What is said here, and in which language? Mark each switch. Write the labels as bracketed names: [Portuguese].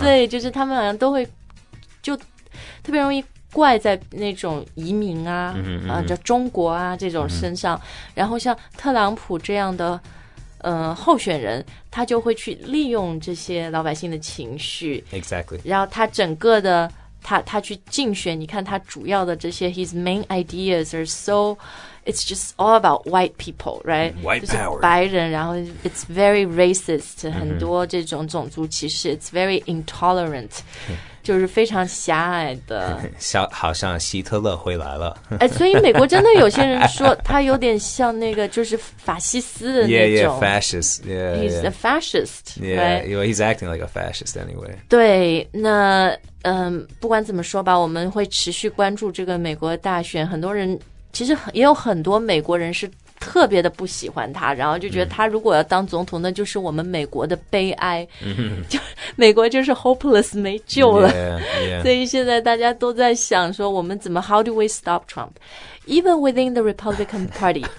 [Chinese] 对，就是他们好像都会就特别容易怪在那种移民啊，叫中国啊这种身上。 Mm-hmm. 然后像特朗普这样的候选人，他就会去利用这些老百姓的情绪。 [English] Exactly. [Chinese] 然后他整个的他去竞选，你看他主要的这些 [English] his main ideas are so. It's just all about white people, right? White power. [Chinese] 白人，然后 [English] it's very racist,、mm-hmm. [Chinese] 很多这种种族歧视 [English] it's very intolerant, [Chinese] 就是非常狭隘的。好像希特勒回来了。哎，所以美国真的有些人说他有点像那个就是法西斯的那种。 [English] Yeah, yeah, fascist. Yeah, he's a fascist, yeah, right? Yeah, he's acting like a fascist anyway. [Chinese] 对，那不管怎么说吧，我们会持续关注这个美国大选，很多人其实也有很多美国人是特别的不喜欢他，然后就觉得他如果要当总统，那就是我们美国的悲哀，就美国就是 hopeless 没救了。 [English] Yeah, yeah. [Chinese] 所以现在大家都在想说，我们怎么 [English] how do we stop Trump？ Even within the Republican Party，